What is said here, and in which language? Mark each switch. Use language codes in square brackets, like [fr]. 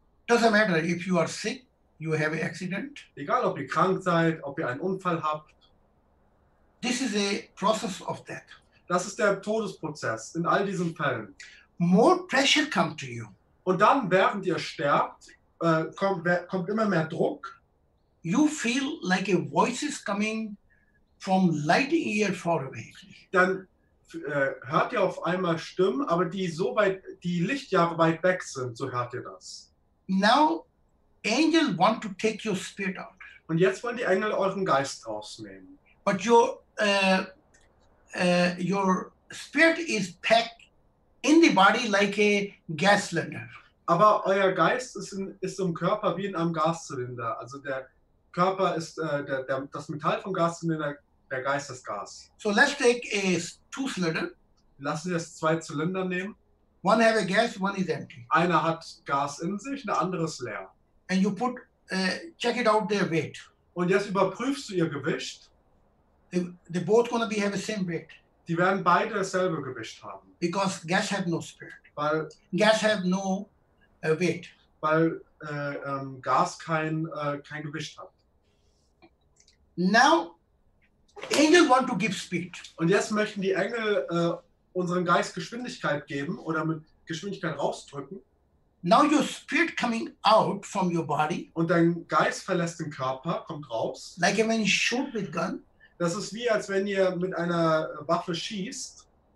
[en] Doesn't matter if you are sick, you have an accident. [de] Egal, ob ihr krank seid, ob ihr einen Unfall habt. [en] This is a process of death. [de] Das ist der Todesprozess in all diesen Fällen. [en] More pressure comes to you. [de] Und dann, während ihr sterbt, kommt immer mehr Druck. [en] You feel like a voice is coming from light year far away. [de] Dann hört ihr auf einmal Stimmen, aber die so weit, die Lichtjahre weit weg sind, so hört ihr das. [en] Now, angels want to take your spirit out. [de] Und jetzt wollen die Engel euren Geist rausnehmen. [en] But your spirit is packed in the body like a gas cylinder. [de] Aber euer Geist ist im Körper wie in einem Gaszylinder. Also der Körper ist das Metall vom Gaszylinder, der Geist ist Gas. [en] So let's take a two cylinder. [de] Lassen wir jetzt zwei Zylinder nehmen. [en] One have a gas, one is empty. [de] Einer hat Gas in sich, der andere ist leer. [en] And you put check it out their weight. [de] Und jetzt überprüfst du ihr Gewicht. [en] They both gonna be have the same weight. [de] Die werden beide dasselbe Gewicht haben. [en] Because gas have no spirit. [de] Weil [en] gas have no weight. [de] Weil Gas kein Gewicht hat. [en] Now angels want to give speed. [de] Und jetzt möchten die Engel unseren Geist Geschwindigkeit geben oder mit Geschwindigkeit rausdrücken. [en] Now your spirit coming out from your body. [de] Und dein Geist verlässt den Körper, kommt raus. [en] Like when you shoot with gun. [de] Das ist wie als wenn ihr mit einer Waffe schießt.